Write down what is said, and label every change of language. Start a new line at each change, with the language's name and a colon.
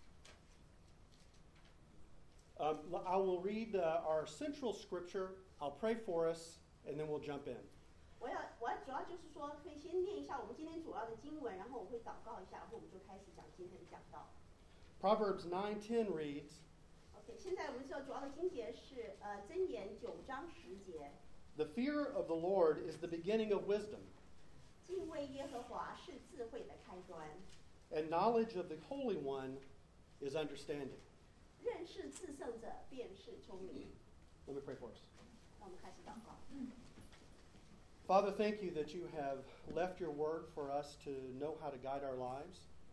Chinese: 今天我们要讲的就是说，从那个《立王记上》跟那个《箴言》上面呢，会讲到说智慧。
English: I will read our central scripture. I'll pray for us, and then we'll jump in.
Chinese: 我要主要就是说，可以先念一下我们今天主要的经文，然后我会祷告一下，然后我们就开始讲今天的讲道。Proverbs
English: 9:10 reads.
Chinese: 现在我们知道主要的经节是《箴言》9:10。
English: The fear of the Lord is the beginning of wisdom.
Chinese: 敬畏耶和华是智慧的开端。
English: And knowledge of the Holy One is understanding.
Chinese: 认识至圣者便是聪明。
English: Let me pray for us.
Chinese: 让我们开始祷告。
English: Father, thank you that you have left your word for us to know how to guide our lives.